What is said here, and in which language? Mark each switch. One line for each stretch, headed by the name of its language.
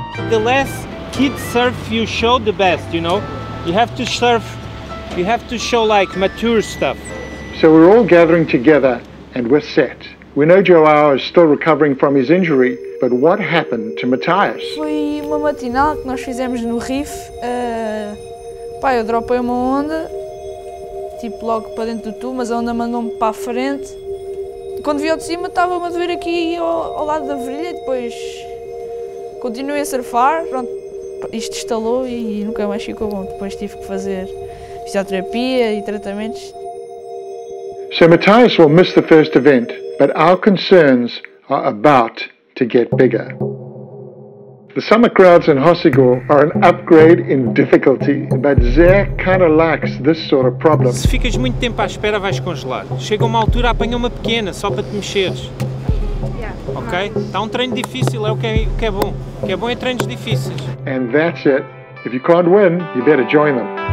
English: The less kids surf you show, the best, you know? You have to surf, you have to show like mature stuff. So we're all gathering together and we're set. We know João is still recovering from his injury, but what happened to Matias?
Portuguese: Foi uma matinal que nós fizemos no reef. Pai, eu dropei uma onda, tipo logo para dentro do tubo, mas a onda mandou-me para a frente. Quando vi ao de cima, estava-me a doer aqui ao lado da virilha e depois continuei a surfar. Pronto, isto estalou e nunca mais ficou bom. Depois tive que fazer fisioterapia e tratamentos.
English: So Matias will miss the first event, but our concerns are about to get bigger. The summer crowds in Hossegor are an upgrade in difficulty, but Zé kind of likes this sort of problem.
Portuguese: Se ficas muito tempo à espera, vais congelar. Chega uma altura, apanha uma pequena, só para te mexeres.
English: Yeah. Ok?
Portuguese: Está um treino difícil, é o que é bom. O que é bom é treinos difíceis.
English: And that's it. If you can't win, you better join them.